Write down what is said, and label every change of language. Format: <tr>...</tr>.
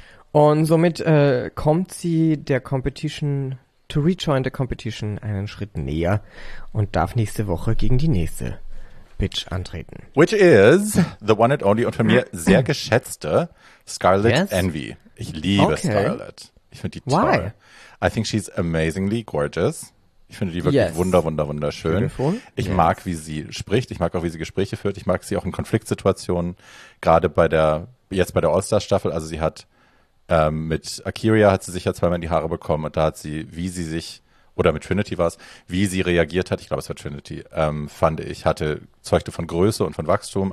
<de>Und somit kommt sie der Competition,</de> <en>to rejoin the competition,</en> <de>einen Schritt näher und darf nächste Woche gegen die nächste Bitch antreten.</de> <en>Which is the one and only</en> <de>und von mir sehr geschätzte</de> <en>Scarlett Envy.</en> <de>Ich liebe Scarlett. Ich finde die toll.</de> <en>Why? I think she's amazingly gorgeous.</en> <de>Ich finde die wirklich wunderschön.</de> <en>Beautiful.</en> <de>Ich mag, wie sie spricht. Ich mag auch, wie sie Gespräche führt. Ich mag sie auch in Konfliktsituationen. Gerade bei der All-Star-Staffel. Also sie hat mit Akiria hat sie sich ja zweimal in die Haare bekommen. Und da hat sie, wie sie sich, oder mit Trinity war es, wie sie reagiert hat, ich glaube, es war Trinity, fand ich, zeugte von Größe und von Wachstum.</de>